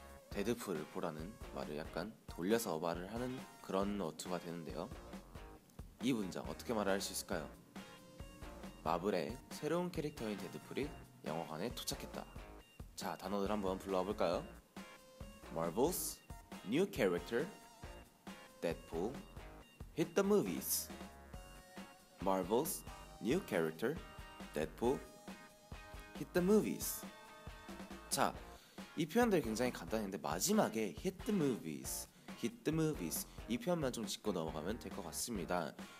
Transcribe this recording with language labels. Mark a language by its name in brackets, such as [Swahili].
[Korean] 데드풀을 보라는 말을 약간 돌려서 말을 하는 그런 어투가 되는데요. 이 문장 어떻게 말할 수 있을까요? 마블의 새로운 캐릭터인 데드풀이 영화관에 도착했다. 자, 단어들 한번 불러와 볼까요? [English] Marvel's new character, Deadpool, hit the movies. Marvel's new character, Deadpool, hit the movies. [Korean] 자, 이 표현들 굉장히 간단한데 마지막에 [English] hit the movies, hit the movies [Korean] 이 표현만 좀 짚고 넘어가면 될 것 같습니다.